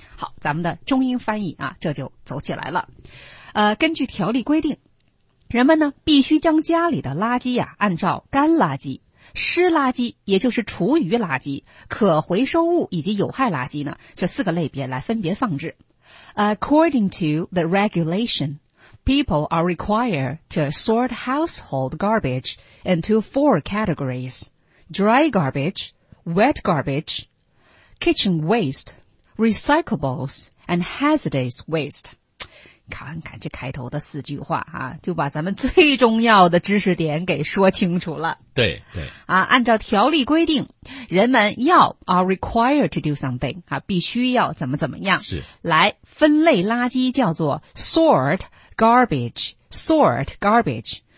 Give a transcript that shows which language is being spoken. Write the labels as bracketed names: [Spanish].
[Chinese] 好，咱们的中英翻译啊这就走起来了。根据条例规定，人们呢必须将家里的垃圾啊按照干垃圾、湿垃圾，也就是厨余垃圾、可回收物以及有害垃圾呢这四个类别来分别放置。 [English] According to the regulation, people are required to sort household garbage into four categories: dry garbage, wet garbage, kitchen waste, recyclables, and hazardous waste. [Chinese] 看看这开头的四句话啊，就把咱们最重要的知识点给说清楚了。对对啊，按照条例规定，人们要 [English] are required to do something [Chinese] 啊，必须要怎么怎么样，是来分类垃圾，叫做 [English] sort garbage， [Chinese] sort garbage。